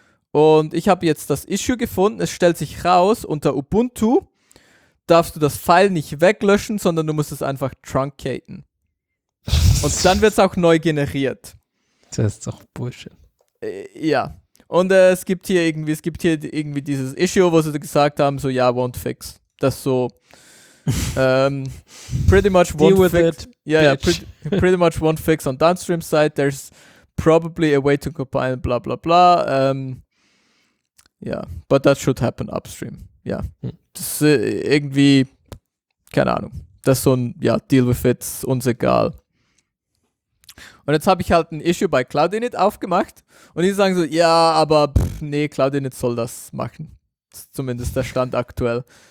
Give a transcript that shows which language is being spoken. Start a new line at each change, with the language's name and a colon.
German: Und ich habe jetzt das Issue gefunden. Es stellt sich raus, unter Ubuntu darfst du das File nicht weglöschen, sondern du musst es einfach truncaten. Und dann wird es auch neu generiert. Das ist doch Bullshit. Ja, und es gibt hier irgendwie dieses Issue, wo sie gesagt haben, so, ja,
English: won't fix.
German: Das so,
English: pretty much won't deal with fix. It,
German: ja,
English: bitch. Pretty much won't fix on downstream side. There's probably a way to compile, bla, bla, bla. Yeah, but that should happen upstream.
German: Ja, das ist irgendwie, keine Ahnung. Das ist so ein, ja,
English: deal with it,
German: uns egal. Und jetzt habe ich halt ein Issue bei Cloud Init aufgemacht und die sagen so, ja, aber nee, Cloud Init soll das machen. Das ist zumindest der Stand aktuell.